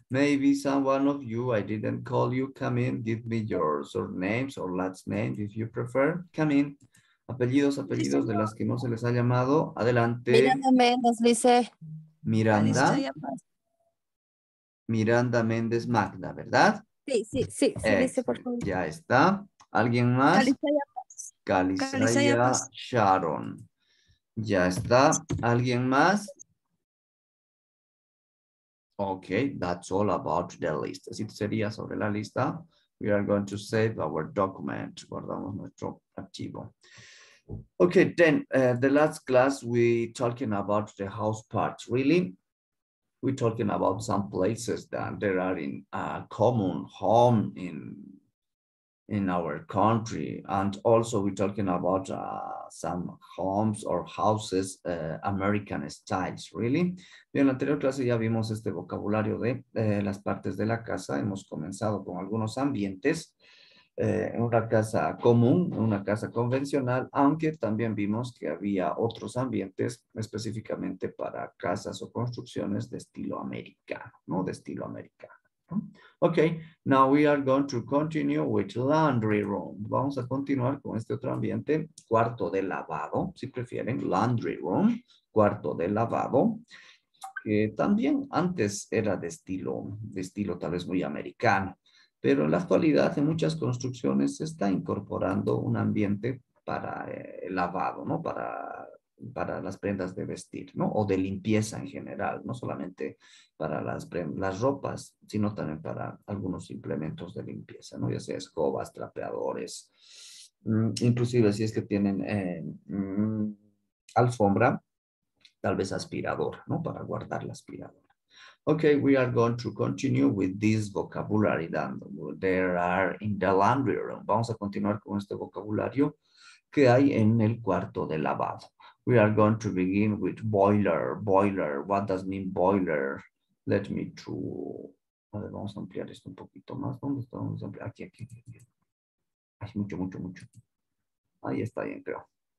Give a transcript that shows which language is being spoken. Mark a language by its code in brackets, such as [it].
[en] Maybe someone of you, I didn't call you, come in, give me your surnames or last name if you prefer. Come in. [es] Apellidos, apellidos, ¿listo? De las que no se les ha llamado. Adelante. Miranda Méndez, dice. Miranda. Miranda Méndez Magda, ¿verdad? Sí, sí, sí. Sí, dice, por favor. Ya está. ¿Alguien más? Calisaya Sharon. Ya está. ¿Alguien más? [en] Ok, that's all about the list. [es] Así sería sobre la lista. [en] We are going to save our document. [es] Guardamos nuestro archivo. [en] Ok, then, the last class, we talking about the house parts. Really, we talking about some places that there are in a common home in our country. And also we're talking about some homes or houses, American styles, really. [es] Bien, en la anterior clase ya vimos este vocabulario de las partes de la casa. Hemos comenzado con algunos ambientes, una casa común, una casa convencional, aunque también vimos que había otros ambientes específicamente para casas o construcciones de estilo americano, ¿no? De estilo americano. [en] Okay, now we are going to continue with laundry room. [es] Vamos a continuar con este otro ambiente, cuarto de lavado, si prefieren, laundry room, cuarto de lavado, que también antes era de estilo tal vez muy americano, pero en la actualidad en muchas construcciones se está incorporando un ambiente para lavado, ¿no? Para las prendas de vestir, ¿no? O de limpieza en general, no solamente para las ropas, sino también para algunos implementos de limpieza, ¿no? Ya sea escobas, trapeadores, inclusive si es que tienen alfombra, tal vez aspiradora, ¿no? Para guardar la aspiradora. [en] Okay, we are going to continue with this vocabulary that there are in the laundry room. [es] Vamos a continuar con este vocabulario que hay en el cuarto de lavado. [en] We are going to begin with boiler. Boiler. What does mean boiler? Let me through. [es] A ver, vamos a ampliar esto un poquito más. ¿Dónde está? ¿Dónde está? Aquí. Hay mucho, mucho, mucho. Ahí está bien, creo.